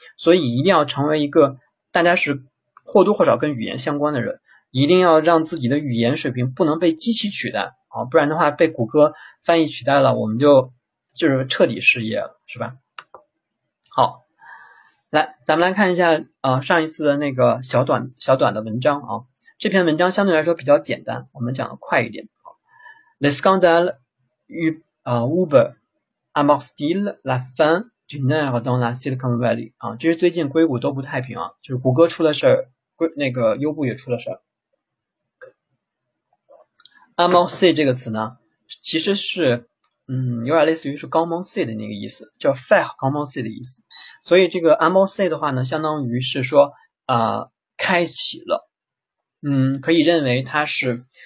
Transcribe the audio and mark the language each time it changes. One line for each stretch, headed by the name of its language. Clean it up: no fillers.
Chinese: 所以一定要成为一个大家是或多或少跟语言相关的人，一定要让自己的语言水平不能被机器取代啊，不然的话被谷歌翻译取代了，我们就是彻底失业了，是吧？好，来，咱们来看一下上一次的那个小短的文章啊，这篇文章相对来说比较简单，我们讲的快一点。
French: Le scandale Uber amorce-t-il la fin d'une ère dans la Silicon Valley？
Chinese: 这是最近硅谷都不太平啊，就是谷歌出了事儿，那个优步也出了事儿。 amorce 这个词呢，其实是有点类似于是 commencer 的那个意思，叫
French: faire commencer
Chinese: 的意思。所以这个 amorce 的话呢，相当于是说开启了，可以认为它是。